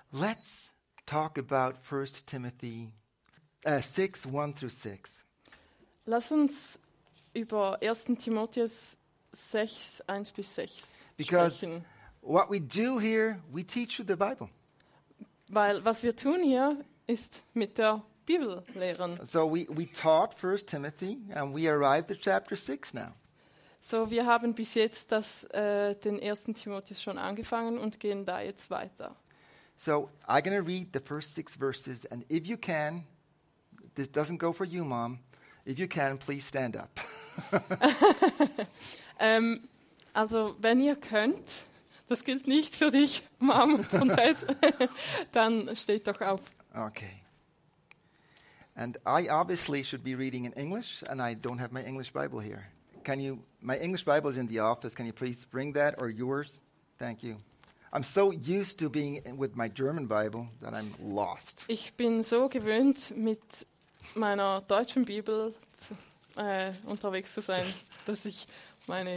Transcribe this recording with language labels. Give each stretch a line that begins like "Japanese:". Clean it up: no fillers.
English: Let's talk about 1 Timothy 6, 1 through 6.
German: Lass uns über 1. Timotheus 6, 1 bis 6
English: Because
German: sprechen.
English: What we do here, we teach you the Bible.
German: Weil was wir tun hier, ist mit der Bibel lehren.
English: So we taught 1 Timothy and we arrived at chapter 6 now.
German: So wir haben bis jetzt das, den 1. Timotheus schon angefangen und gehen da jetzt weiter.
English: So I'm going to read the first 6 verses and if you can, this doesn't go for you, Mom, if you can, please stand up.
German: Also wenn ihr könnt, das gilt nicht für dich, Mom, von Dad, dann steht doch auf.
English: Okay. And I obviously should be reading in English and I don't have my English Bible here. Can you, my English Bible is in the office, can you please bring that or yours? Thank you. I'm so used to being with my German Bible that I'm lost.
German: Ich bin so gewöhnt, mit meiner deutschen Bibel zu, unterwegs zu sein, dass ich meine